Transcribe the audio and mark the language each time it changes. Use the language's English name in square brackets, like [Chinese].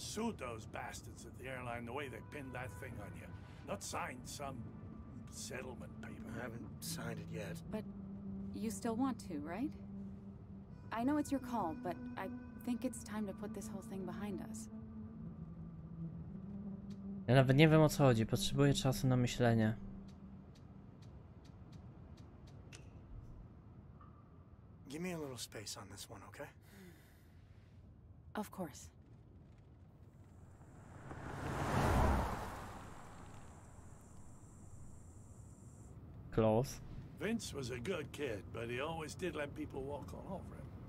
[English] Sued those bastards at the airline the way they pinned that thing on you. Not signed some settlement paper. I haven't signed it yet. But you still want to, right? I know it's your call, but I think it's time to put this whole thing behind us. [Polish] Ja nawet nie wiem, o co chodzi. Potrzebuję czasu na myślenie. [English] Give me a little space on this one, okay? Of course. Close. Vince was a good kid, but he always did let people walk all over him.